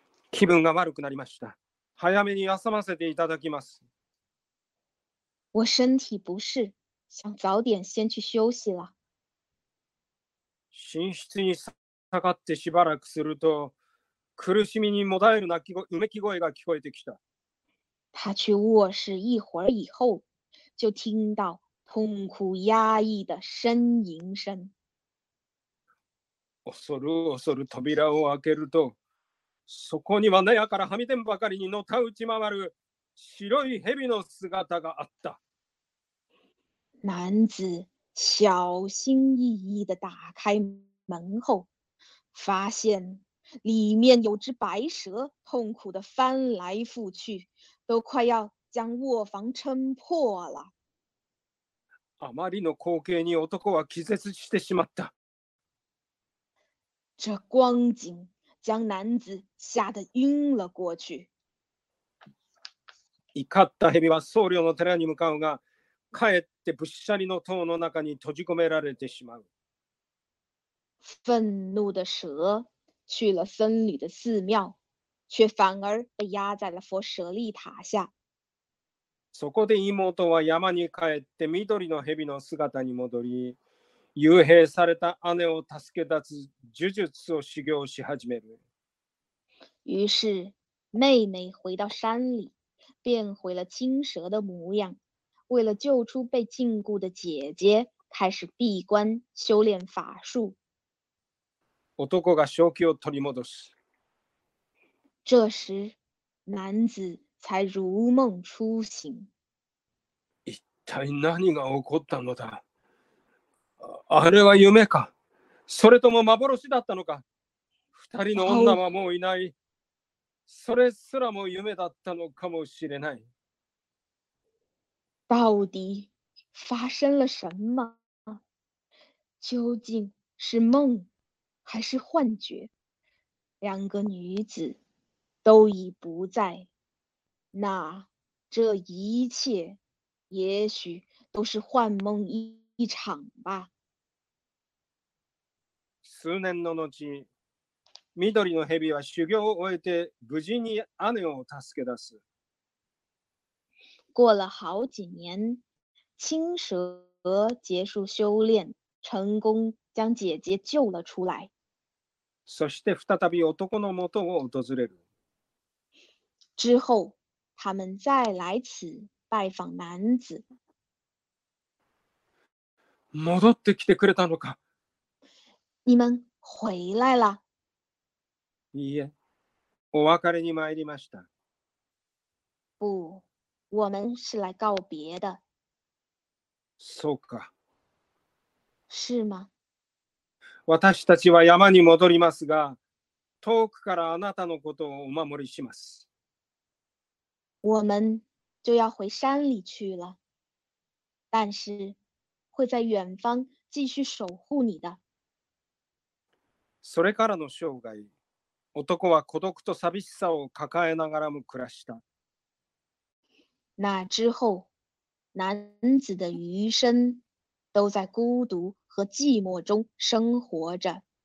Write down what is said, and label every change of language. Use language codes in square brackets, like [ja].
[ja] 気分が悪くなりました。早めに休ませていただきます。 [zh] 我身体不适、想早点先去休息了。 [ja] 寝室に下がってしばらくすると、苦しみにもだえる泣き声、うめき声が聞こえてきた。 [zh] 他去卧室一会儿以后、就听到痛苦压抑的呻吟声。 [ja] 恐る恐る扉を開けると、そこには納屋からはみ出んばかりにのたうち回る白い蛇の姿があった。 [zh] 男子小心翼翼地打开门后，发现里面有只白蛇，痛苦地翻来覆去，都快要将卧房撑破了。 [ja] あまりの光景に男は気絶してしまった。 [zh] 这光景将男子吓得晕了过去。 [ja] 怒った蛇は僧侶の寺に向かうが、かえって仏舎里の塔の中に閉じ込められてしまう。 [zh] 愤怒的蛇去了僧侣的寺庙，却反而被压在了佛舍利塔下。 [ja] そこで妹は山に帰って緑の蛇の姿に戻り、幽閉された姉を助け出す呪術を修行し始める。 [zh] 于是妹妹回到山里，变回了青蛇的模样，为了救出被禁锢的姐姐，开始闭关修炼法术。 [ja] 男が正気を取り戻す。 [zh] 这时男子才如梦初醒。 [ja] 一体何が起こったのだ？あれは夢か？それとも幻だったのか？二人の女はもういない。それすらも夢だったのかもしれない。 [zh] 到底发生了什么？究竟是梦还是幻觉？两个女子都已不在。那这一切也许都是幻梦一场吧。 [ja] 数年の後、緑の蛇は修行を終えて無事に姉を助け出す。 [zh] 过了好几年，青蛇结束修炼，成功将姐姐救了出来。 [ja] そして再び男の元を訪れる。 [zh] 之后他们再来此拜访男子。 [ja] 戻ってきてくれたのか？ [zh] 你们回来了。 [ja] いいえ、お別れに参りました。 [zh] 不，我们是来告别的。 [ja] そうか。 [zh] 是吗？ [ja] 私たちは山に戻りますが、遠くからあなたのことをお守りします。 [zh] 我们就要回山里去了，但是会在远方继续守护你的。 [ja] それからの生涯、男は孤独と寂しさを抱えながらも暮らした。 [zh] 那之后，男子的余生都在孤独和寂寞中生活着。